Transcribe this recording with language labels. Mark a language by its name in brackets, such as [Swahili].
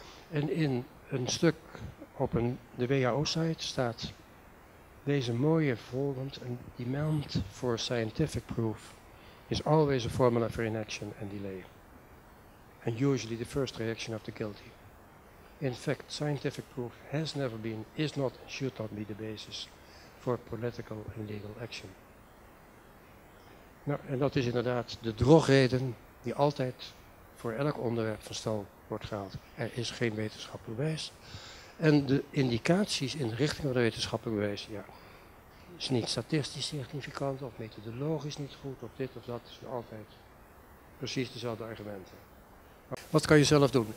[Dutch] En in een stuk op de WHO-site staat deze mooie volgend: een [English] demand for scientific proof is always a formula for inaction and delay. And usually the first reaction of the guilty. In fact, scientific proof has never been, is not, and should not be the basis for political and legal action. [Dutch] Nou, en dat is inderdaad de drogreden die altijd voor elk onderwerp van stal wordt gehaald. Er is geen wetenschappelijk bewijs. En de indicaties in de richting van de wetenschappelijk bewijs, ja, is niet statistisch significant of methodologisch niet goed, of dit of dat, is altijd precies dezelfde argumenten. Wat kan je zelf doen?